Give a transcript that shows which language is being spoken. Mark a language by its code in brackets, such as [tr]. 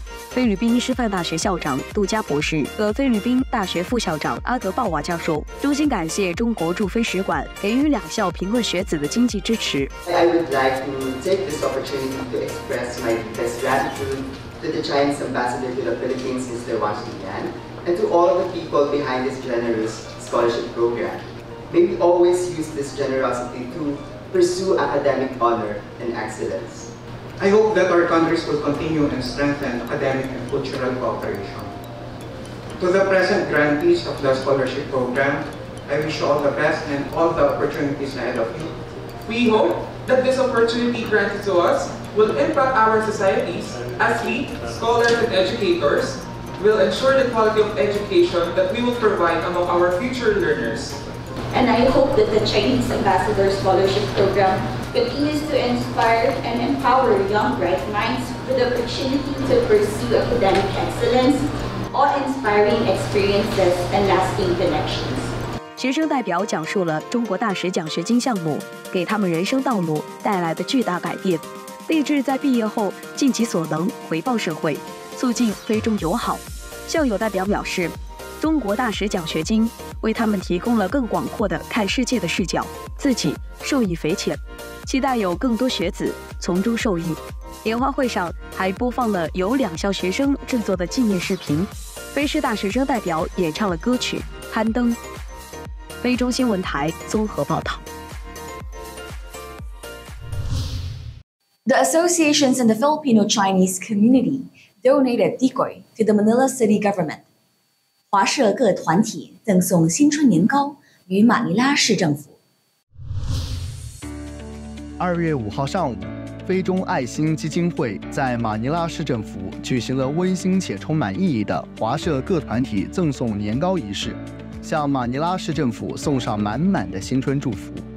[zh] 菲律宾师范大学校长杜佳博士和菲律宾大学副校长阿德鲍瓦教授衷心感谢中国驻菲使馆给予两校贫困学子的经济支持。 [en] I would like to take this opportunity to express my deepest gratitude to the Chinese ambassador to the Philippines, Mr. Washington, and to all the people behind this generous scholarship program. May we always use this generosity to. Pursue academic honor and excellence. I hope that our countries will continue and strengthen academic and cultural cooperation. To the present grantees of the scholarship program, I wish you all the best and all the opportunities ahead of you. We hope that this opportunity granted to us will impact our societies as we, scholars and educators, will ensure the quality of education that we will provide among our future learners. And I hope that the Chinese Ambassador Scholarship Program continues to inspire and empower young bright minds with the opportunity to pursue academic excellence, awe-inspiring experiences, and lasting connections. [zh] 学生代表讲述了中国大使奖学金项目给他们人生道路带来的巨大改变，立志在毕业后尽其所能回报社会，促进非中友好。校友代表表示。中国大使奖学金为他们提供了更广阔的看世界的视角，自己受益匪浅，期待有更多学子从中受益。联欢会上还播放了由两校学生制作的纪念视频，菲师大学生代表演唱了歌曲《攀登》。非中新闻台综合报道。 [en] The associations in the Filipino Chinese community donated decoy to the Manila City government. [zh] 华社各团体赠送新春年糕与马尼拉市政府。 2月5号上午，非中爱心基金会在马尼拉市政府举行了温馨且充满意义的华社各团体赠送年糕仪式，向马尼拉市政府送上满满的新春祝福。